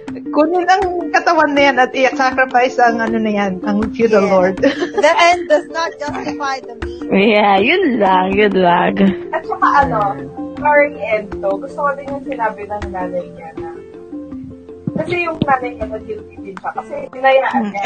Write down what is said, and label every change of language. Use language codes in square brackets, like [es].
[tl] Kunin ang katawan na yan at i-sacrifice ang ano na yan, ang feudal lord. [en] The end does not justify the means. Yeah, [tl] yun lang, yun lang. At saka ano, sorry Ento, gusto ko din yung sinabi ng nanay niya na kasi yung nanay niya nag-guilty din siya kasi dinayaan niya.